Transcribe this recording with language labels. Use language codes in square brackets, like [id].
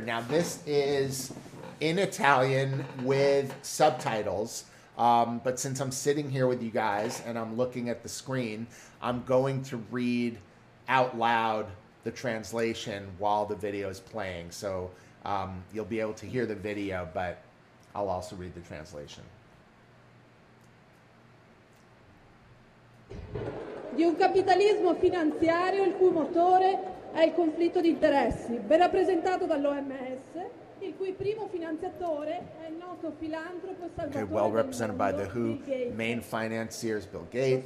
[en] Now, this is in Italian with subtitles, but since I'm sitting here with you guys and I'm looking at the screen, I'm going to read out loud the translation while the video is playing. So you'll be able to hear the video, but I'll also read the translation. [it] Di un capitalismo finanziario il cui motore è il conflitto di interessi, ben rappresentato dall'OMS, il cui primo finanziatore è il noto filantropo Salvatore. [en] Okay, well represented by the WHO, main financier is Bill Gates.